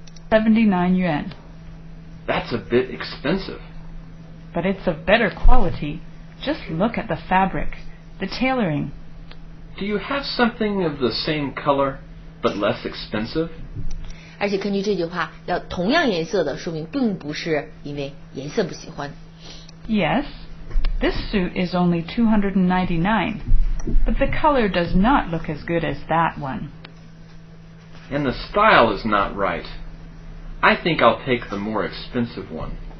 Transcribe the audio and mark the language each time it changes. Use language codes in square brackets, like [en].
[en] 79 yuan. That's a bit expensive. But it's of better quality. Just look at the fabric, the tailoring. Do you have something of the same color, but less expensive? [zh] 而且根据这句话，要同样颜色的，说明并不是因为颜色不喜欢。 [en] Yes, this suit is only 299, but the color does not look as good as that one. And the style is not right. I think I'll take the more expensive one.